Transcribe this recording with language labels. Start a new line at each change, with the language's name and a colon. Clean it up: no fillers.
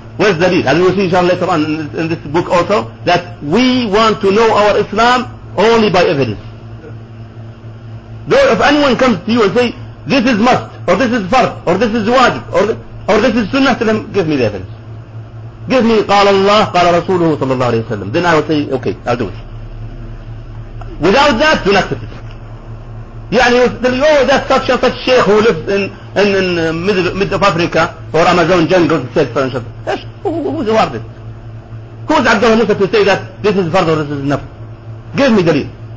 English: Where's the lead? And we'll see inshallah later on in this book also that we want to know our Islam only by evidence. Though if anyone comes to you and say this is must or this is fard or this is wajib or this is sunnah to them, give me the evidence. Give me
Arabic: قال الله قال رسوله صلى الله عليه وسلم.
English: Then I will say okay, I'll do it. Without that, do not accept it.
Arabic: يعني تقولي
English: oh that such and such sheikh who lives in mid of Africa or Amazon jungle said for instance. Yes, who's the wardest? Who's عبد الله موسى to say that this is fard or this is nafl? Give me the reason.